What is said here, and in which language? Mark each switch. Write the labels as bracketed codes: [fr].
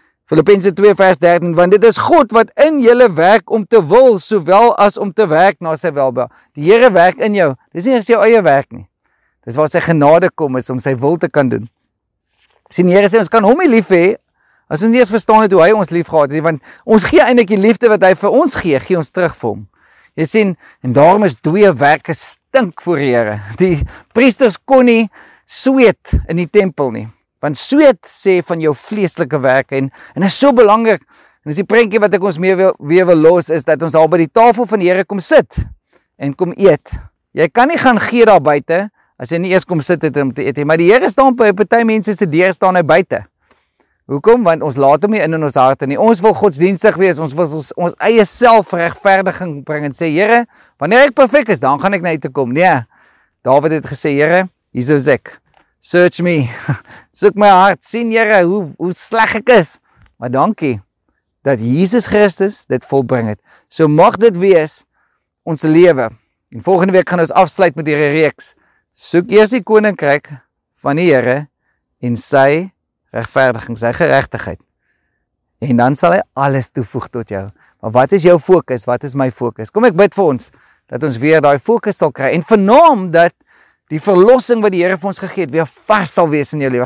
[af] Filippense 2 vers 13, want dit is God wat in julle werk om te wil, sowel as om te werk na sy welbehae. Die Here werk in jou. Dis nie jou eie werk nie. Dis waar sy genade kom is om sy wil te kan doen. Sien, die Here sê, ons kan hom lief hê, as ons nie eens verstaan het hoe hy ons lief gehad het, want ons gee eintlik die liefde wat hy vir ons gee ons terug vir hom. Jy sien, en daarom is dooie werke stink voor die Here. Die priesters kon nie sweet in die tempel nie. Want sweet sê van jou vleeslike werk en is so belangrik. En is die prentjie wat ek ons mee wil los, is dat ons al by die tafel van die Here kom sit en kom eet. Jy kan nie gaan gee daar buite, as jy nie eers kom sit het om te eet. Maar die Here staan by party mense se deur staan hy buite. Hoekom? Want ons laat hom nie in ons harte nie. Ons wil godsdienstig wees, ons wil ons eie selfregverdiging bring en sê, Here, wanneer ek perfek is, dan gaan ek na u toe kom. Nee, David het gesê, Here, hier is ek. [en] Search me. [af] Soek my hart. Sien, Here, hoe sleg ek is. Maar dankie dat Jesus Christus dit volbring het. So mag dit wees ons lewe. En volgende week gaan ons afsluit met hierdie reeks. Soek eers die koninkryk van die Here en sy regverdiging, sy geregtigheid. En dan sal hy alles toevoeg tot jou. Maar wat is jou fokus? Wat is my fokus? Kom ek bid vir ons, dat ons weer daai fokus sal kry. En vernaam dat die verlossing wat die Here vir ons gegee het, weer vas sal wees in jou lewe.